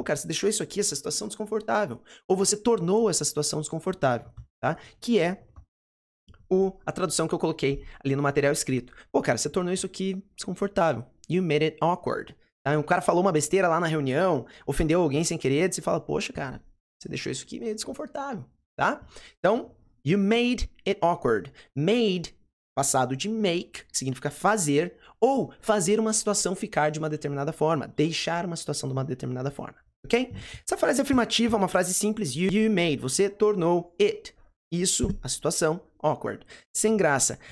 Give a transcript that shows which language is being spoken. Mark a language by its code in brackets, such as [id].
[pt] Pô, cara, você deixou isso aqui, essa situação desconfortável. Ou você tornou essa situação desconfortável, tá? Que é a tradução que eu coloquei ali no material escrito. Pô, cara, você tornou isso aqui desconfortável. [en] You made it awkward. [pt] Tá? Um cara falou uma besteira lá na reunião, ofendeu alguém sem querer, você fala, poxa, cara, você deixou isso aqui meio desconfortável, tá? [en] Então, you made it awkward. [pt] Made, passado de make, que significa fazer, ou fazer uma situação ficar de uma determinada forma. Deixar uma situação de uma determinada forma, ok? Essa frase afirmativa é uma frase simples. You made, você tornou it, isso, a situação, awkward, sem graça.